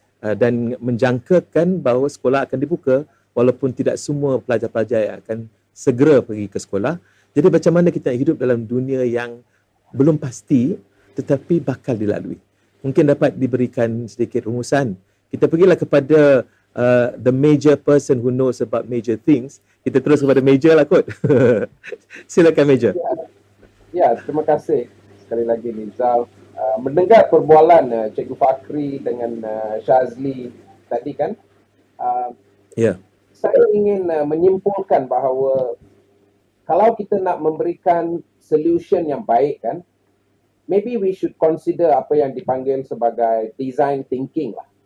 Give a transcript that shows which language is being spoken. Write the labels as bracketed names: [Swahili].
[Malay] Dan menjangkakan bahawa sekolah akan dibuka walaupun tidak semua pelajar-pelajar yang akan segera pergi ke sekolah. Jadi macam mana kita hidup dalam dunia yang belum pasti tetapi bakal dilalui? Mungkin dapat diberikan sedikit rumusan. Kita pergilah kepada [English] the major person who knows about major things. [Malay] Kita terus kepada major lah kot. Silakan major. Ya, terima kasih sekali lagi Nizal. Mendengar perbualan Cikgu Fakri dengan Syazli tadi kan, saya ingin menyimpulkan bahawa kalau kita nak memberikan solution yang baik kan, [English] maybe we should consider [Malay] apa yang dipanggil sebagai design thinking lah.